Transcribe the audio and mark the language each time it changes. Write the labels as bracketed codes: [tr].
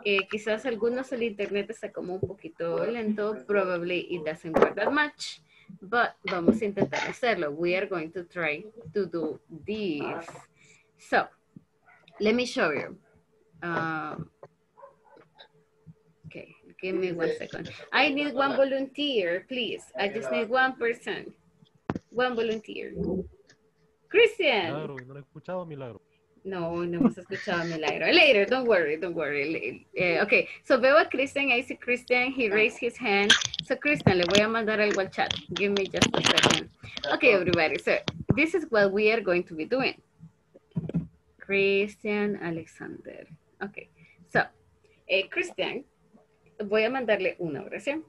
[es] Quizás algunos el internet está como un poquito lento. [en] Probably it doesn't work that much. But vamos a intentar hacerlo. We are going to try to do this. So, let me show you. Okay, give me 1 second. I need one volunteer, please. I just need one person. One volunteer. Christian. [es] Milagro, no he escuchado Milagro. No, no hemos escuchado Milagro. Later, don't worry. Okay, so veo a Christian. [en] I see Christian, he raised his hand. So Christian, le voy a mandar algo al chat. Give me just a second. Okay, everybody, so this is what we are going to be doing. Christian Alexander. [es] Okay, so Christian, voy a mandarle una oración.